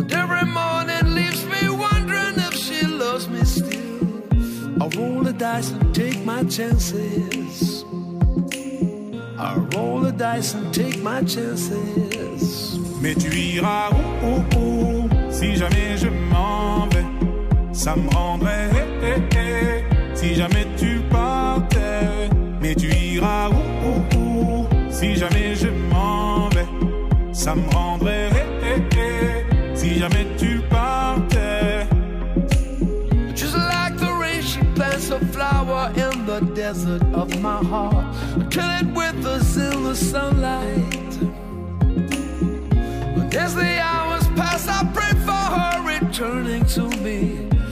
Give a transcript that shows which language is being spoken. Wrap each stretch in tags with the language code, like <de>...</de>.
<en>Every morning leaves me wondering if she loves me still. I roll the dice and take my chances. I roll the dice and take my chances.</en> <fr>Mais tu iras où, où, où. Si jamais je m'en vais, ça me rendrait Si jamais tu partais. jamais tu iras où, où, où. Si jamais je m'en vais, ça me rendrait hé, hé, hé. Si jamais tu partais.</fr> <en>Just like the rain, she plants a flower in the desert of my heart. Till it withers in the sunlight. But as the hours pass, I pray for her returning to me.</en>